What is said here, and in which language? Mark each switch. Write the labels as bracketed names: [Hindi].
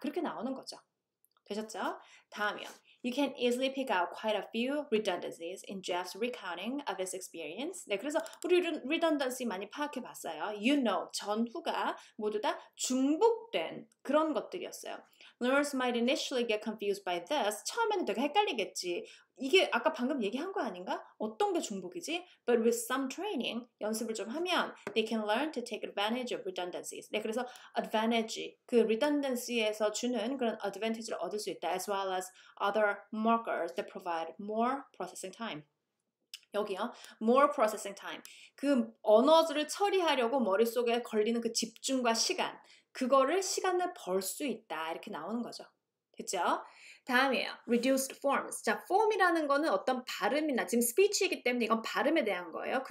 [Korean] 그렇게 나오는 거죠. 되셨죠? 다음이요. [English] You can easily pick out quite a few redundancies in Jeff's recounting of his experience. [Korean] 네, 그래서 우리 redundancy 많이 파악해 봤어요. [English] You know, [Korean] 전후가 모두 다 중복된 그런 것들이었어요. [English] Learners might initially get confused by this. [Korean] 처음에는 되게 헷갈리겠지. 이게 아까 방금 얘기한 거 아닌가? 어떤 게 중복이지? [English] But with some training, [Korean] 연습을 좀 하면 [English] they can learn to take advantage of redundancies. [Korean] 네, 그래서 advantage, 그 redundancy에서 주는 그런 advantage를 얻을 수 있다. [English] As well as other markers that provide more processing time. [Korean] 여기요. [English] More processing time. [Korean] 그 언어들을 처리하려고 머릿속에 걸리는 그 집중과 시간. 그거를 시간을 벌 수 있다. 이렇게 나오는 거죠. 됐죠? 다음이에요. Reduced forms. 자, form이라는 거는 어떤 발음이나 지금 speech이기 때문에 이건 발음에 대한 거예요.